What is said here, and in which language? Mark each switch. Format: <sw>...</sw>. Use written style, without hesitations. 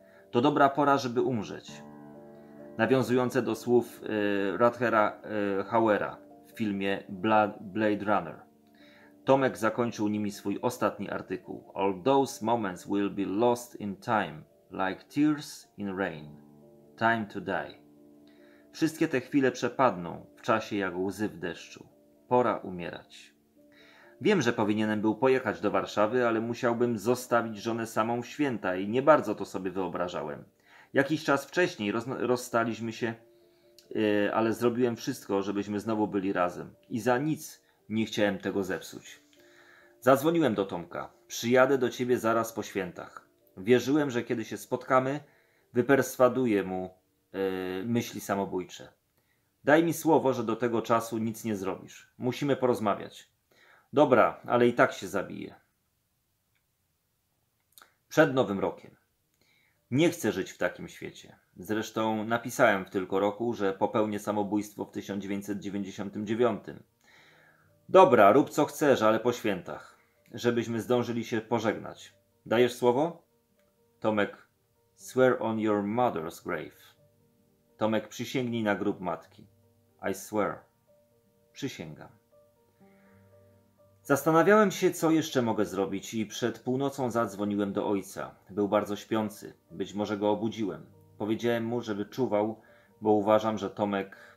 <pl>To dobra pora, żeby umrzeć. Nawiązujące do słów Rutgera Hauera w filmie Blade Runner. Tomek zakończył nimi swój ostatni artykuł.</pl> <en>All those moments will be lost in time, like tears in rain. Time to die.</en> <pl>Wszystkie te chwile przepadną w czasie jak łzy w deszczu. Pora umierać. Wiem, że powinienem był pojechać do Warszawy, ale musiałbym zostawić żonę samą w święta i nie bardzo to sobie wyobrażałem. Jakiś czas wcześniej rozstaliśmy się, ale zrobiłem wszystko, żebyśmy znowu byli razem. I za nic nie chciałem tego zepsuć. Zadzwoniłem do Tomka. Przyjadę do ciebie zaraz po świętach. Wierzyłem, że kiedy się spotkamy, wyperswaduję mu myśli samobójcze. Daj mi słowo, że do tego czasu nic nie zrobisz. Musimy porozmawiać. Dobra, ale i tak się zabiję. Przed nowym rokiem. Nie chcę żyć w takim świecie. Zresztą napisałem w tylko roku, że popełnię samobójstwo w 1999. Dobra, rób co chcesz, ale po świętach. Żebyśmy zdążyli się pożegnać. Dajesz słowo?</pl> <en>Tomek, swear on your mother's grave.</en> <pl>Tomek, przysięgnij na grób matki.</pl> <en>I swear.</en> <pl>Przysięgam. Zastanawiałem się, co jeszcze mogę zrobić i przed północą zadzwoniłem do ojca. Był bardzo śpiący. Być może go obudziłem. Powiedziałem mu, żeby czuwał, bo uważam, że Tomek...</pl>